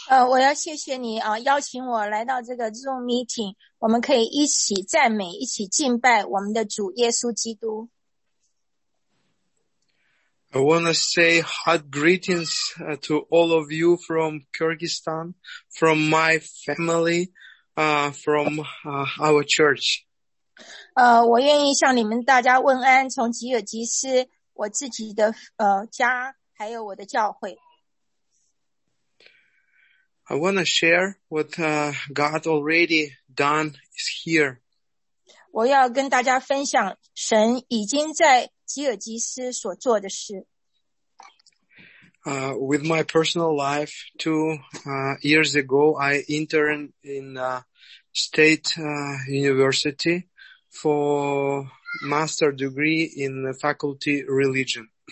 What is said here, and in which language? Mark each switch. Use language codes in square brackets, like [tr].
[zh] 我要谢谢你啊邀请我来到这个 Zoom meeting, 我们可以一起赞美一起敬拜我们的主耶稣基督。 [en] I want to say hot greetings to all of you from Kyrgyzstan, from my family,from, our church. [zh] 我愿意向你们大家问安从吉尔吉斯我自己的家还有我的教会。 [en] I want to share what, God already done is here. [zh] 我要跟大家分享神已经在吉尔吉斯所做的事。 [en] With my personal life, two, years ago, I interned in, state, university for master degree in the faculty religion.